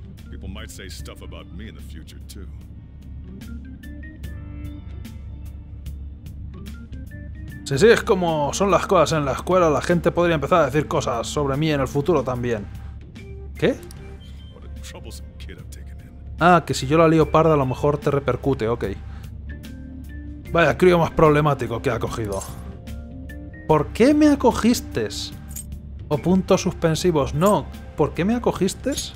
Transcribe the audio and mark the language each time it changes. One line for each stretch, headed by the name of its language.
English: People might say stuff about me in the future too.
Spanish: Sí, es como son las cosas en la escuela, la gente podría empezar a decir cosas sobre mí en el futuro también. ¿Qué?
English: What a troublesome kid I've taken in.
Spanish: Ah, que si yo la lío parda a lo mejor te repercute, ok. Vaya, crío más problemático que ha cogido. ¿Por qué me acogiste? O puntos suspensivos, no. ¿Por qué me acogiste?